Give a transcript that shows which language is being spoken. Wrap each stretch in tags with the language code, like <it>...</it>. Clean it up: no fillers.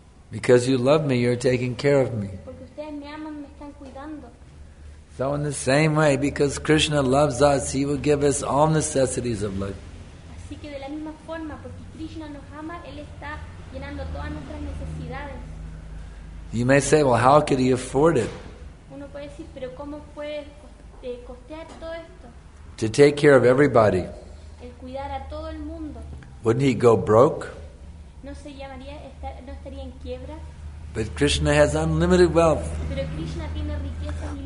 <en>Because you love me, you're taking care of me.</en> <es>Porque ustedes me aman, me están cuidando.</es> <en>So in the same way, because Krishna loves us, he will give us all necessities of life.</en> <es>Así que de la misma forma, porque Krishna nos ama, él está llenando todas nuestras necesidades.</es> <en>You may say, well, how could he afford it?</en> <es>Uno puede decir, pero ¿cómo puede costear todo esto?</es> <en>To take care of everybody.</en> <es>El cuidar a todo el mundo.</es> <en>Wouldn't he go broke?</en> <es>No se llamaría, no estaría en quiebra.</es> <en>But Krishna has unlimited wealth.</en> <es>Pero Krishna tiene riqueza</es>